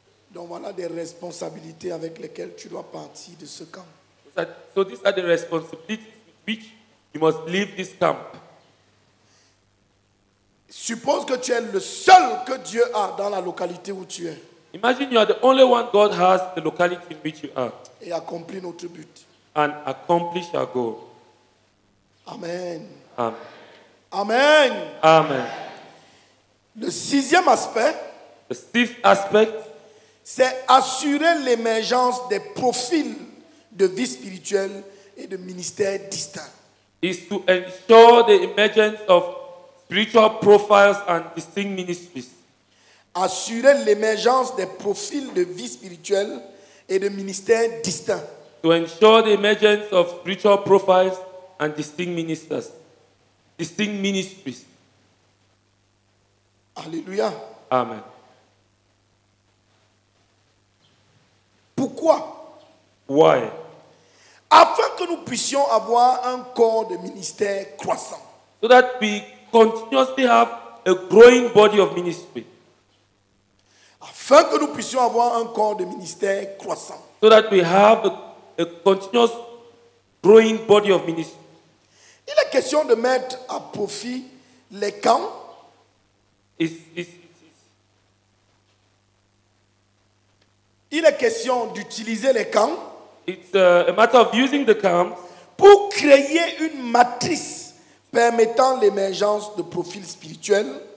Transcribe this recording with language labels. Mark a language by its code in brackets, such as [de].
[fr] Donc voilà des responsabilités avec lesquelles tu dois partir de ce camp. [en] So these are the responsibilities with which you must leave this camp. [fr] Suppose que tu es le seul que Dieu a dans la localité où tu es. [en] Imagine you are the only one God has in the locality in which you are. [fr] Et accomplis notre but. [en] And accomplish our goal. [fr] Amen. [en] Amen. [fr] Amen. [en] Amen. [fr] Le sixième aspect. [en] The sixth aspect. [fr] C'est assurer l'émergence des profils de vie spirituelle et de ministères distincts. [en] Is to ensure the emergence of spiritual profiles and distinct ministries. [fr] Assurer l'émergence des profils de vie spirituelle et de ministères distincts. [en] To ensure the emergence of spiritual profiles and distinct ministers. Distinct ministries. [fr] Alléluia. [en] Amen. [fr] Pourquoi? [en] Why? [fr] Afin que nous puissions avoir un corps de ministère croissant. [en] So that we continuously have a growing body of ministry. [fr] Afin que nous puissions avoir un corps de ministère croissant. [en] So that we have a continuous growing body of ministry. [fr] Il est question de mettre à profit les camps. Il est question d'utiliser les camps. [en] It's a matter of using the camps [fr] pour créer une matrice permettant l'émergence de profils spirituels.